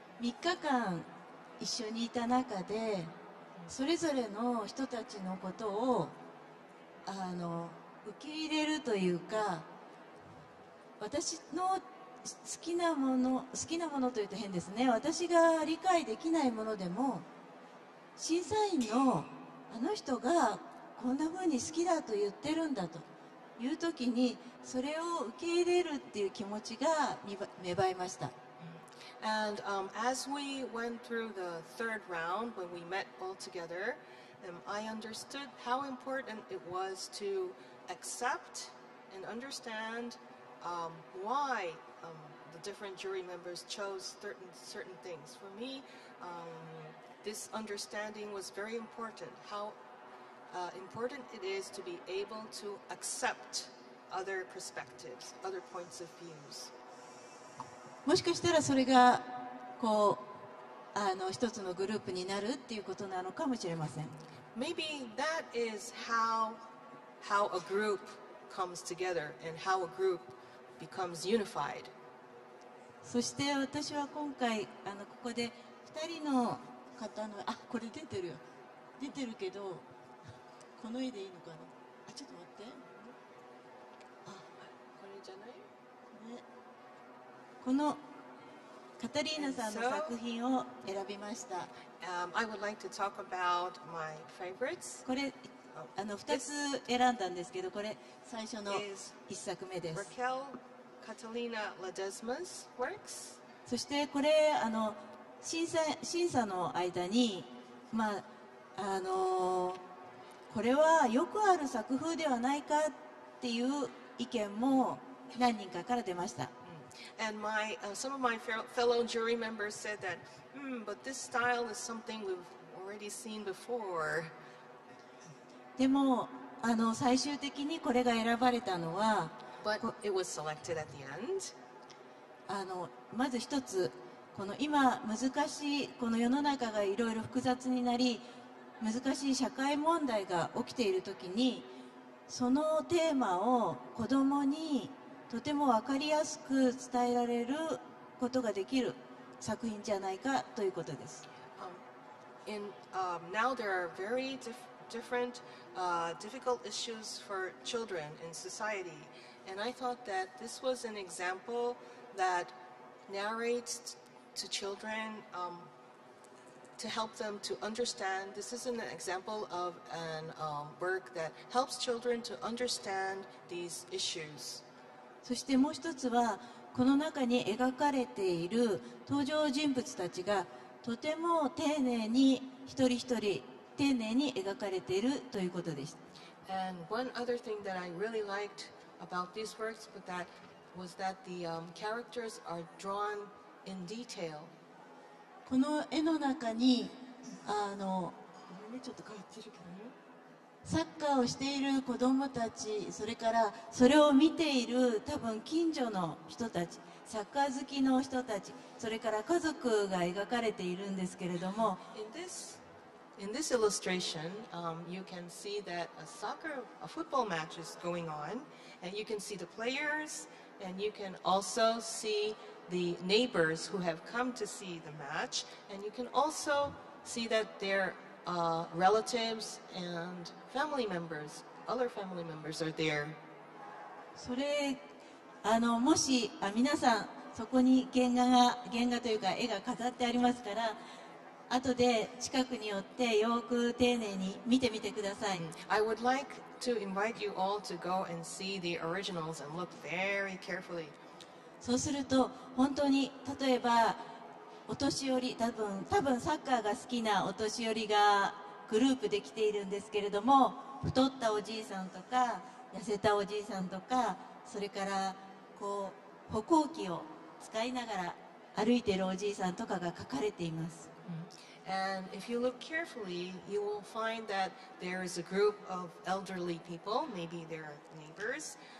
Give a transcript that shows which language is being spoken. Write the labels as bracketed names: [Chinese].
[Japanese] 3日間一緒にいた中でそれぞれの人たちのことをあの受け入れるというか私の好きなもの好きなものというと変ですね私が理解できないものでも審査員のあの人がこんな風に好きだと言ってるんだという時にそれを受け入れるっていう気持ちが芽生えました。 [English] And as we went through the third round when we met all together, I understood how important it was to accept and understand why the different jury members chose certain things. For me, this understanding was very important. How important it is to be able to accept other perspectives, other points of views. [Japanese] もしかしたらそれがこうあの一つのグループになるっていうことなのかもしれません。 [English] Maybe that is how a group comes together and how a group becomes unified. [Japanese] そして私は今回あのここで2人の方のあこれ出てるよ出てるけどこの絵でいいのかなあちょっと待ってあこれじゃないこれこのカタリーナさんの作品を選びました。 [English] I would like to talk about my favorites. [Japanese] これあの2つ選んだんですけど、これ最初の一作目です。 [English] Raquel Catalina Ledesma's works. [Japanese] そしてこれあの審査の間に、まあ、あのこれはよくある作風ではないかっていう意見も何人かから出ました。 [English] And my some of my fellow jury members said that, but this style is something we've already seen before. [Japanese] でもあの最終的にこれが選ばれたのは、 [English] but it was selected at the end. [Japanese] あのまず一つこの今難しいこの世の中がいろいろ複雑になり難しい社会問題が起きているときにそのテーマを子供に。とても分かりやすく伝えられることができる作品じゃないかということです。 [English] Now there are very different difficult issues for children in society, and I thought that this was an example that narrates to children to help them to understand. This is an example of an work that helps children to understand these issues. [Japanese] そしてもう一つはこの中に描かれている登場人物たちがとても丁寧に一人一人丁寧に描かれているということです。 [English] And one other thing that I really liked about these works was that the characters are drawn in detail. [Japanese] この絵の中にあのサッカーをしている子どもたち、それからそれを見ている多分近所の人たち、サッカー好きの人たち、それから家族が描かれているんですけれども、 [English] In this illustration, you can see that a football match is going on, and you can see the players, and you can also see the neighbors who have come to see the match, and you can also see that they're relatives and family members, other family members are there. [Japanese] それあのもしあ皆さんそこに原画というか絵が飾ってありますから、後で近くに寄ってよく丁寧に見てみてください。 [English] I would like to invite you all to go and see the originals and look very carefully. [Japanese] そうすると本当に例えば。お年寄り多分サッカーが好きなお年寄りがグループで来ているんですけれども太ったおじいさんとか痩せたおじいさんとかそれからこう歩行器を使いながら歩いているおじいさんとかが描かれています。 [English] And if you look carefully, you will find that there is a group of elderly people, maybe they are neighbors.